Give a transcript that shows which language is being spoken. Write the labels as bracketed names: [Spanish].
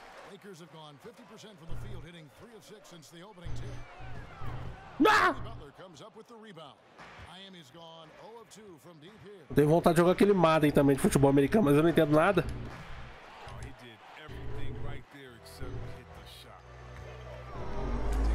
[English] Lakers have gone 50% from the field, hitting 3 of 6 since the opening tip. Ah! Butler comes up with the rebound. Miami's gone 0 of 2 from deep here. [Portuguese] Eu tenho vontade de jogar aquele Madden também de futebol americano, mas eu não entendo nada. [English] Oh, he did everything right there except hit the shot.